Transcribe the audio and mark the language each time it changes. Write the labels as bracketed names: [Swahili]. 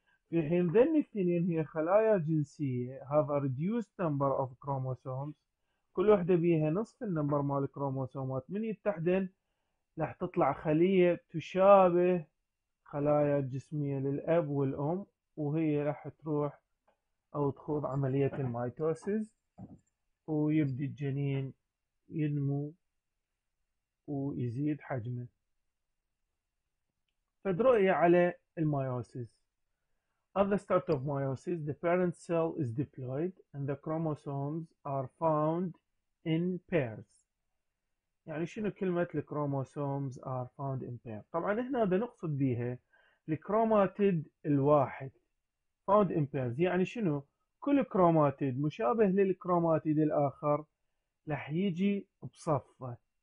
[Arabic] في حين ذني الاثنين هي خلايا جنسية [English] have a reduced number of chromosomes، [Arabic] كل واحدة بيها نصف النمبر مال الكروموسومات، من يتحدن راح تطلع خلية تشابه خلايا الجسمية للأب والأم، وهي راح تروح أو تخوض عملية المايتوسيز ويبدي الجنين ينمو ويزيد حجمه. فد رؤية على المايوسيز. [English] At the start of meiosis, the parent cell is diploid and the chromosomes are found in pairs. [Arabic] يعني شنو كلمة الكروموسومز [English] are found in pairs؟ [Arabic] طبعا هنا بنقصد بيها الكروماتيد الواحد [English] found in pairs، [Arabic] يعني شنو كل كروماتيد مشابه للكروماتيد الآخر لح يجي بصفه.